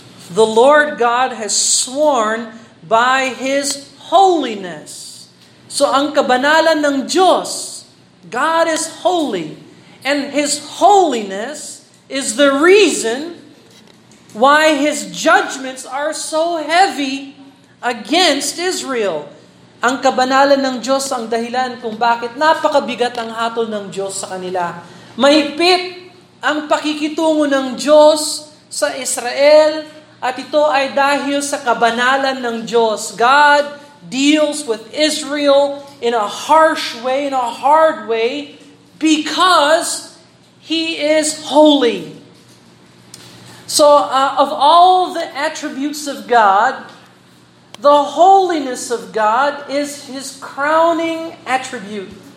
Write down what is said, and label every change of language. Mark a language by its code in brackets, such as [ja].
[en] The Lord God has sworn by His holiness. [tl] So ang kabanalan ng Diyos, [en] God is holy. And His holiness is the reason why His judgments are so heavy against Israel. [tl] Ang kabanalan ng Diyos ang dahilan kung bakit napakabigat ang hatol ng Diyos sa kanila. Mahigpit ang pakikitungo ng Diyos sa Israel. At ito ay dahil sa kabanalan ng Diyos. [en] God deals with Israel in a harsh way, in a hard way, because He is holy. So, of all the attributes of God, the holiness of God is His crowning attribute.